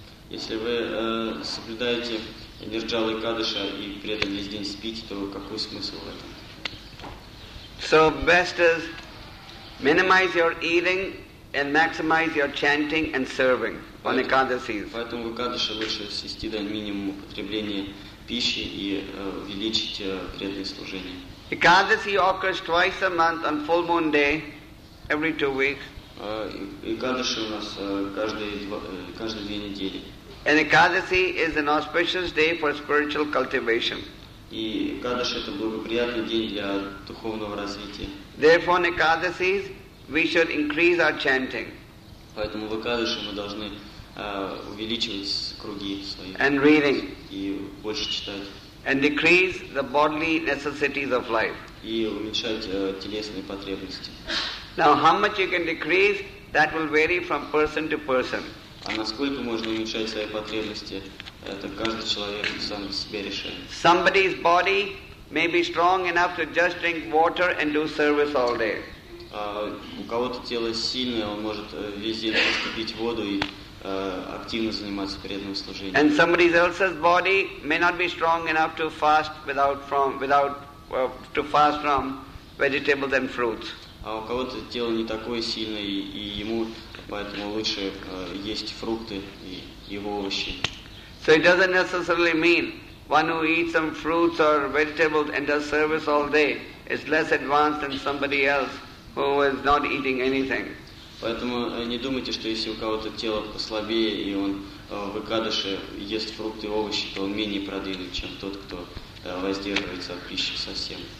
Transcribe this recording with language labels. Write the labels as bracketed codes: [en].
[ru] Если вы соблюдаете Нирджалу Экадаши и при этом весь день спите, то какой смысл в этом? [en] So best is minimize your eating and maximize your chanting and serving on Ekadasis. [ru] Поэтому в Экадаши лучше свести до минимума потребление пищи и увеличить преданное служение. [en] Ekadasi occurs twice a month on full moon day, every 2 weeks. [ru] Ekadasi у нас каждые две недели. [en] And Ekadasi is an auspicious day for spiritual cultivation. [ru] И Ekadasi это благоприятный день для духовного развития. [en] Therefore, on Ekadasi, we should increase our chanting. [ru] Поэтому в Ekadasi мы должны увеличивать круги свои. [en] And reading. [ru] И больше читать. [en] And decrease the bodily necessities of life. [ru] И уменьшать телесные потребности. [en] Now, how much you can decrease, that will vary from person to person. [ru] А насколько можно уменьшать свои потребности, это каждый человек сам себе решает. [en] Somebody's body may be strong enough to just drink water and do service all day. [ru] У кого-то тело сильное, он может весь день просто пить воду и активно заниматься преданным служением. [en] And somebody else's body may not be strong enough to fast from vegetables and fruits. [ru] А у кого-то тело не такое сильное, и ему поэтому лучше есть фрукты и его овощи. [en] So it doesn't necessarily mean one who eats some fruits or vegetables and does service all day is less advanced than somebody else who is not eating anything. [ru] Поэтому не думайте, что если у кого-то тело послабее, и он в Экадаши ест фрукты и овощи, то он менее продвинут, чем тот, кто воздерживается от пищи совсем.